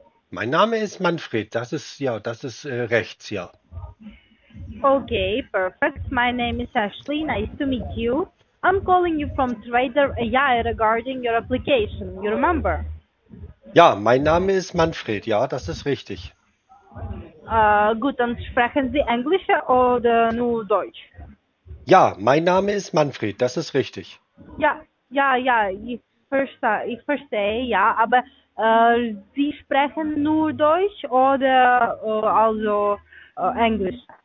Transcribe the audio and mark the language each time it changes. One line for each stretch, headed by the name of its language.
German: Mein Name ist Manfred, das ist ja, das ist rechts, ja.
English: Okay, perfect. My name is Ashley. Nice to meet you. I'm calling you from Trader AI regarding your application. You remember?
German: Ja, mein Name ist Manfred, ja, das ist richtig. Gut, dann sprechen Sie Englisch oder nur Deutsch? Ja, mein Name ist Manfred, das ist richtig. Ja. Ich verstehe, ja, aber Sie sprechen nur Deutsch oder also Englisch?